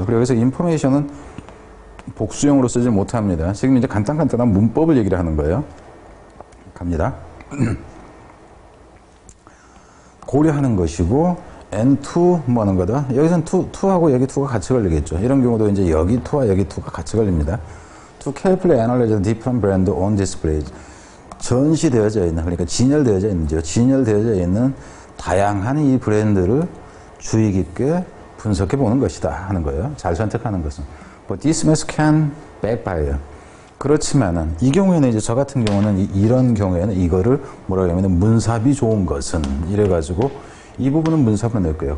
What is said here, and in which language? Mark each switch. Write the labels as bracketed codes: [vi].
[ko] 그리고 여기서 information은 복수형으로 쓰지 못합니다. 지금 이제 간단간단한 문법을 얘기를 하는 거예요. 갑니다. 고려하는 것이고 and to 뭐하는 거다. 여기서는 to하고 여기 to가 같이 걸리겠죠. 이런 경우도 이제 여기 to와 여기 to가 같이 걸립니다. [en] To carefully analyze the different brand on display. [ko] 전시되어져 있는, 그러니까 진열되어져 있는지요. 진열되어져 있는 다양한 이 브랜드를 주의 깊게 분석해보는 것이다 하는 거예요. 잘 선택하는 것은. [en] But this mess can backfire. [ko] 그렇지만은 이 경우에는 이제 저 같은 경우는 이런 경우에는 이거를 뭐라고 하냐면 문삽이 좋은 것은 이래가지고 이 부분은 문삽으로 낼 거예요.